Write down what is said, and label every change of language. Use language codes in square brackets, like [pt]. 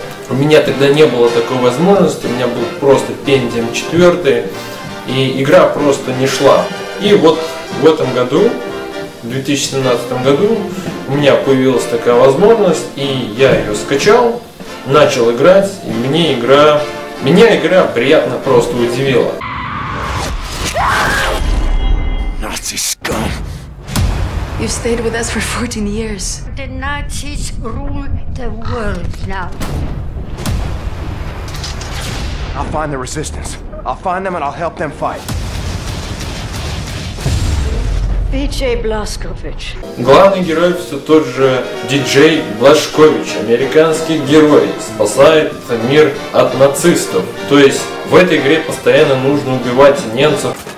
[ru] У меня тогда не было такой возможности, у меня был просто Pentium 4, и игра просто не шла. И вот в этом году, в 2017 году, у меня появилась такая возможность, и я ее скачал, начал играть, и меня игра приятно просто удивила. [en] You've stayed with us for 14 years. The Nazis rule the world now. I'll find the resistance. I'll find them and I'll help them fight. B.J. Blazkowicz. [ru] Главный герой все тот же Диджей Блажкович, американский герой, спасает мир от нацистов. То есть в этой игре постоянно нужно убивать немцев.